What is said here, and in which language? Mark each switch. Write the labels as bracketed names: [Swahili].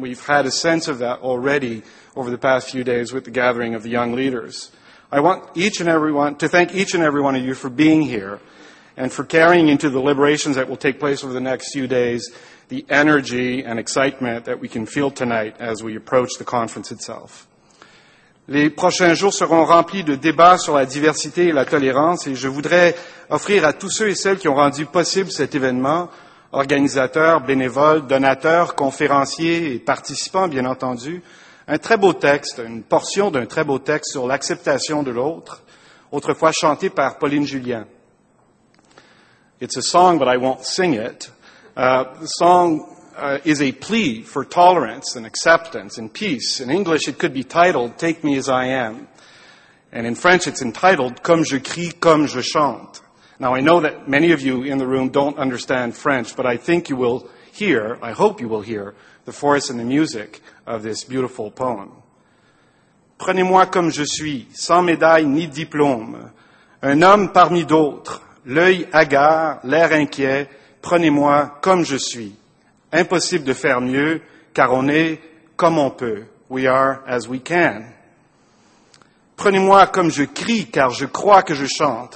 [English] We've had a sense of that already over the past few days with the gathering of the young leaders. I want each and everyone to thank each and every one of you for being here and for carrying into the deliberations that will take place over the next few days the energy and excitement that we can feel tonight as we approach the conference itself. [French] Les prochains jours seront remplis de débats sur la diversité et la tolérance, et je voudrais offrir à tous ceux et celles qui ont rendu possible cet événement, organisateurs, bénévoles, donateurs, conférenciers et participants, bien entendu, un très beau texte, une portion d'un très beau texte sur l'acceptation de l'autre, autrefois chanté par Pauline Julien. [English] It's a song, but I won't sing it. The song is a plea for tolerance and acceptance and peace. In English, it could be titled, Take Me As I Am. And in French, it's entitled, Comme je crie, comme je chante. Now, I know that many of you in the room don't understand French, but I think you will hear, I hope you will hear, the force and the music of this beautiful poem. [French] Prenez-moi comme je suis, sans médaille ni diplôme, un homme parmi d'autres, l'œil hagard, l'air inquiet, prenez-moi comme je suis. Impossible de faire mieux, car on est comme on peut. [English] We are as we can. [French] Prenez-moi comme je crie, car je crois que je chante.